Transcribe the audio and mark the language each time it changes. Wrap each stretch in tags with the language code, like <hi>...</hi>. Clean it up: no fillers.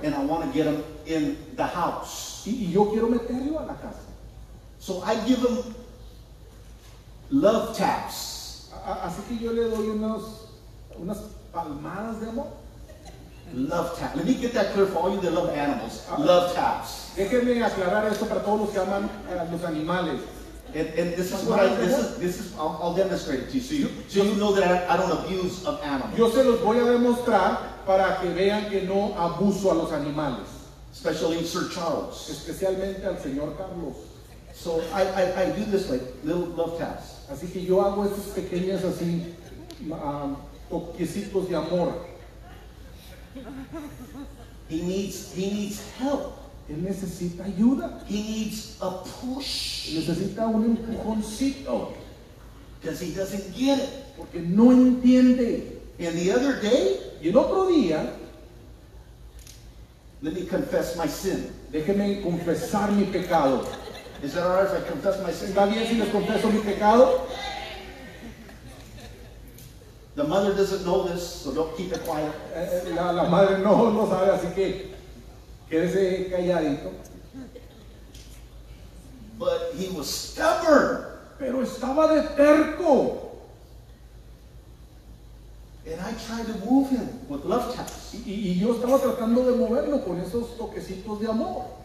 <en>And I want to get him in the house.</en> <es>Y yo quiero meterlo a la casa.</es> <en>So I give him love taps.</en> <es>Así que yo le doy unas palmadas de amor.</es> <en>Love taps. Let me get that clear for all you that love animals. Love taps.</en> <es>Déjenme aclarar esto para todos los que aman a los animales.</es> <en>And this is what this is I'll demonstrate it to you. So you know that I don't abuse of animals.</en> <es>Yo se los voy a demostrar para que vean que no abuso a los animales.</es> <en>Especially Sir Charles.</en> <es>Especialmente al señor Carlos.</es> <en>So I do this like little love taps.</en> <es>Así que yo hago estas pequeñas así toquecitos de amor.</es> <en>He needs help.</en> <es>Él necesita ayuda.</es> <en>He needs a push.</en> <es>Necesita un empujoncito.</es> <en>Because he doesn't get it.</en> <es>Porque no entiende.</es> <en>And the other day.</en> <es>Y el otro día.</es> <en>Let me confess my sin.</en> <es>Déjeme confesar mi pecado.</es> <en>Is that all right if I confess my sin?</en> <es>¿Está bien si les confieso mi pecado?</es> <en>The mother doesn't know this, so don't keep it quiet.</en> <es>La madre no sabe, así que quédese calladito.</es> <en>But he was stubborn.</en> <es>Pero estaba de terco.</es> <en>And I tried to move him with love taps.</en> <es>Y yo estaba tratando de moverlo con esos toquecitos de amor.</es>